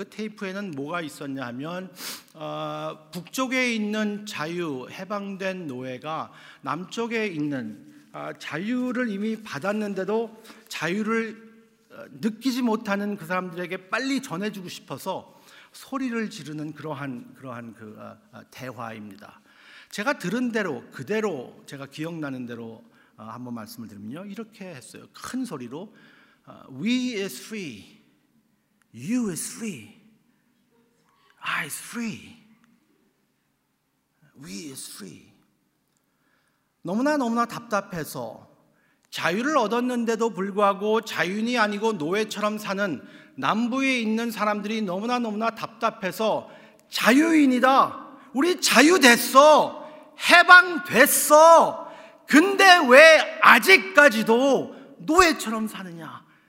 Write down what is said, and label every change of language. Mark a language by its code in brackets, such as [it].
[ko] 그 테이프에는 뭐가 있었냐 하면 북쪽에 있는 자유, 해방된 노예가 남쪽에 있는 자유를 이미 받았는데도 자유를 느끼지 못하는 그 사람들에게 빨리 전해주고 싶어서 소리를 지르는 그러한 그 대화입니다. 제가 들은 대로 그대로 제가 기억나는 대로 한번 말씀을 드리면요, 이렇게 했어요. 큰 소리로 [en] We is free, You is free, I is free, We is free. [ko] 너무나 답답해서. 자유를 얻었는데도 불구하고 자유인이 아니고 노예처럼 사는 남부에 있는 사람들이 너무나 답답해서 자유인이다. 우리 자유됐어. 해방됐어. 근데 왜 아직까지도 노예처럼 사느냐.